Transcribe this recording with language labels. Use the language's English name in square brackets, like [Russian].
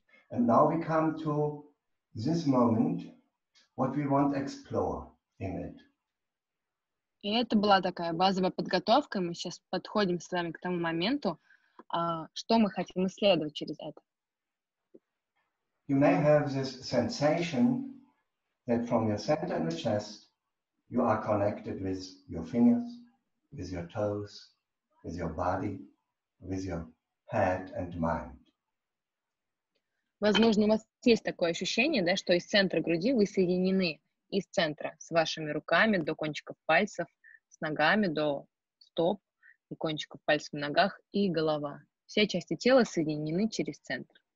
[English] And now we come to this moment, what we want to explore in it. [Russian] И это была такая базовая подготовка. Мы сейчас подходим с вами к тому моменту, что мы хотим исследовать через это. [English] You may have this sensation that from your center in the chest you are connected with your fingers, with your toes, with your body, with your head and mind. [Russian] Возможно, у вас есть такое ощущение, да, что из центра груди вы соединены из центра с вашими руками до кончиков пальцев, с ногами до стоп, и кончиков пальцев в ногах, и голова. Все части тела соединены через центр.